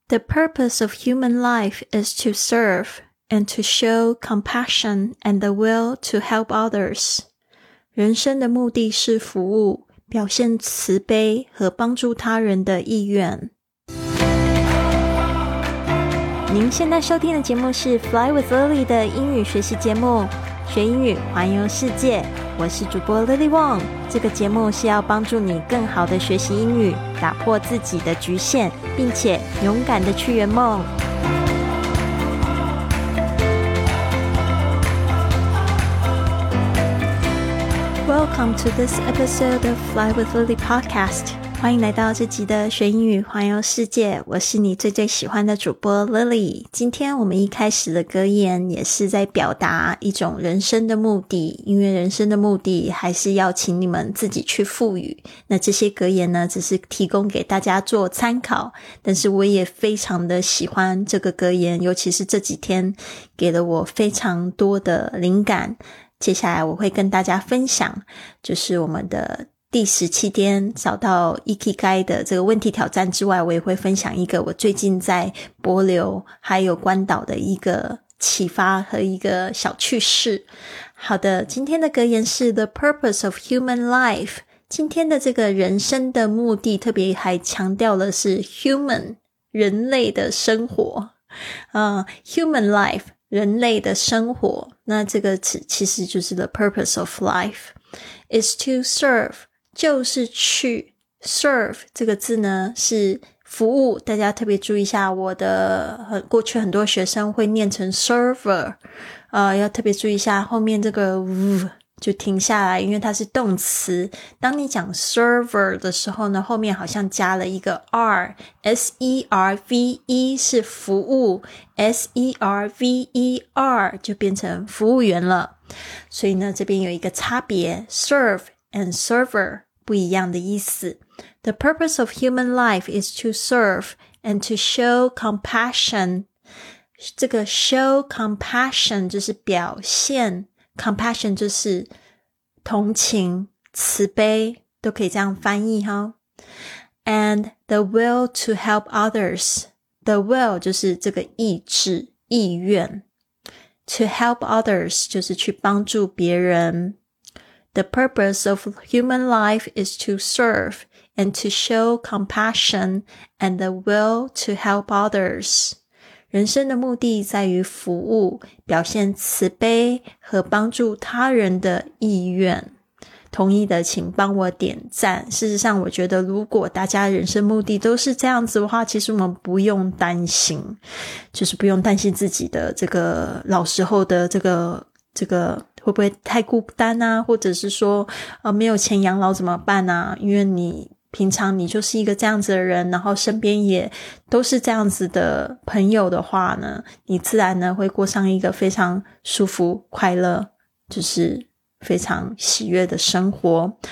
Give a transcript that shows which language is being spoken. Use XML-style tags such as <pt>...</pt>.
<en>The purpose of human life is to serve and to show compassion and the will to help others.</en> <zh>人生的目的是服务，表现慈悲和帮助他人的意愿。您现在收听的节目是 Fly with Lily 的英语学习节目，学英语环游世界。我是主播 Lily Wong， 这个节目是要帮助你更好的学习英语，打破自己的局限，并且勇敢的去圆梦。</zh> <en>Welcome to this episode of Fly with Lily podcast.</en> <zh>欢迎来到这集的学英语环游世界，我是你最最喜欢的主播 Lily。今天我们一开始的歌言也是在表达一种人生的目的，因为人生的目的还是要请你们自己去赋予。那这些歌言呢，只是提供给大家做参考，但是我也非常的喜欢这个歌言，尤其是这几天给了我非常多的灵感。接下来我会跟大家分享，就是我们的第17天找到 Ikigai 的这个问题挑战之外，我也会分享一个我最近在帛琉还有关岛的一个启发和一个小趣事。好的，今天的格言是</zh> <en>The purpose of human life。</en> <zh>今天的这个人生的目的特别还强调的是 human， 人类的生活，human life，人类的生活，那这个词其实就是</zh> <en>the purpose of life. Is to serve,</en> <zh>就是去 serve 这个字呢是服务，大家特别注意一下，我的过去很多学生会念成 server， 要特别注意一下后面这个 v 就停下来，因为它是动词。当你讲 server 的时候呢，后面好像加了一个 r， s-e-r-v-e 是服务， s-e-r-v-e-r 就变成服务员了。所以呢，这边有一个差别， serve and server 不一样的意思。</zh> <en>The purpose of human life is to serve and to show compassion.</en> <zh>这个 show compassion 就是表现，compassion 就是同情、慈悲，都可以这样翻译哈。</zh> <en>And the will to help others.</en> <zh>The will 就是这个意志、意愿。 To help others 就是去帮助别人。</zh> <en>The purpose of human life is to serve and to show compassion and the will to help others.</en> <zh>人生的目的在于服务，表现慈悲和帮助他人的意愿。同意的请帮我点赞。事实上我觉得如果大家人生目的都是这样子的话，其实我们不用担心，就是不用担心自己的这个老时候的这个会不会太孤单啊，或者是说没有钱养老怎么办啊，因为你平常你就是一个这样子的人，然后身边也都是这样子的朋友的话呢，你自然呢会过上一个非常舒服、快乐，就是非常喜悦的生活。</zh>